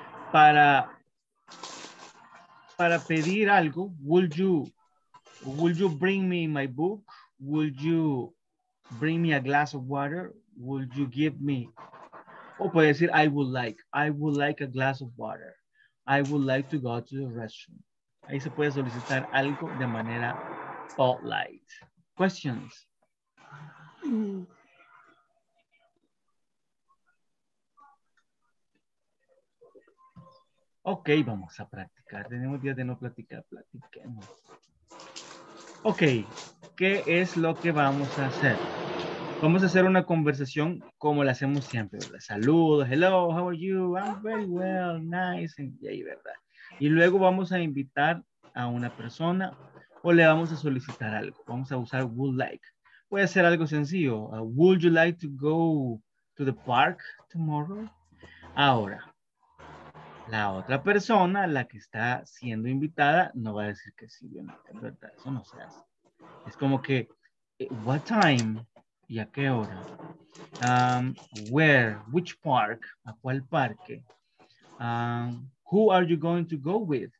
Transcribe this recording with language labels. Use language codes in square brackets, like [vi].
[en] Para pedir algo, would you bring me my book? Would you bring me a glass of water? Would you give me, or puede decir, I would like a glass of water. I would like to go to the restroom. [es] Ahí se puede solicitar algo de manera polite. Questions? Ok, vamos a practicar. Tenemos días de no platicar, platiquemos. Ok, ¿qué es lo que vamos a hacer? Vamos a hacer una conversación como la hacemos siempre. [en] Saludos, hello, how are you? I'm very well, nice. Y ahí, ¿verdad? [es] Y luego vamos a invitar a una persona o le vamos a solicitar algo. Vamos a usar would like. Puede ser algo sencillo. [en] Would you like to go to the park tomorrow? [es] Ahora, la otra persona, la que está siendo invitada, no va a decir que sí. Bien, es verdad, eso no se hace. Es como que, what time? ¿Y a qué hora? Where? Which park? [en] ¿A cuál parque? Who are you going to go with?